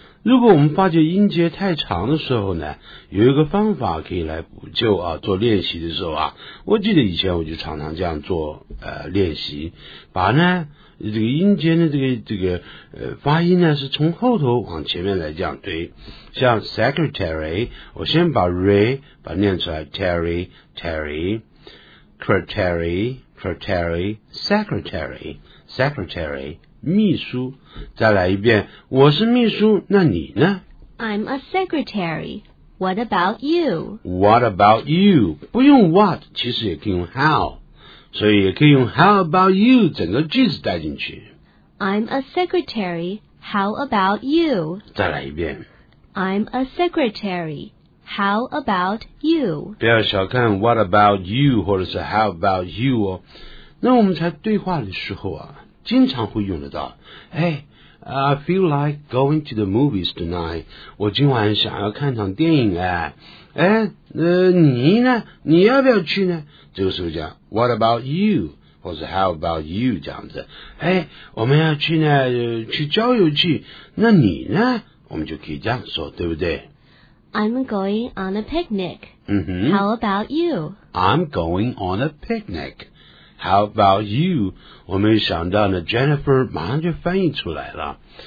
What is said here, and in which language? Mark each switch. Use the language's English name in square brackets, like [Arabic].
[Chinese] 如果我们发觉音节太长的时候呢，有一个方法可以来补救啊。做练习的时候啊，我记得以前我就常常这样做练习，把呢这个音节的这个发音呢是从后头往前面来这样堆。像 secretary， 我先把 re 把念出来 ，terry terry， secretary secretary， secretary secretary。秘书，再来一遍。我是秘书，那你呢 [English] ？I'm a secretary. What about you? What about you? [Chinese] 不用 what， 其实也可以用 how， 所以也可以用 [English] how about you [Chinese] 整个句子带进去。 [English] I'm a secretary. How about you? [Chinese] 再来一遍。 [English] I'm a secretary. How about you? [Chinese] 不要小看 [English] what about you [Chinese] 或者是 [English] how about you [Chinese] 哦。那我们在对话的时候啊。经常会用得到。 [English] Hey, I feel like going to the movies tonight. [Chinese] 我今晚想要看场电影哎。哎，你呢？你要不要去呢？这个时候讲 [English] What about you? [Chinese] 或者 [English] How about you? [Chinese] 这样子。哎，我们要去呢，去郊游去。那你呢？我们就可以这样说，对不对？ [English] I'm going on a picnic. 嗯哼。 How about you? I'm going on a picnic. How about you? [Chinese] 我们想到呢 ,Jennifer 马上就翻译出来了。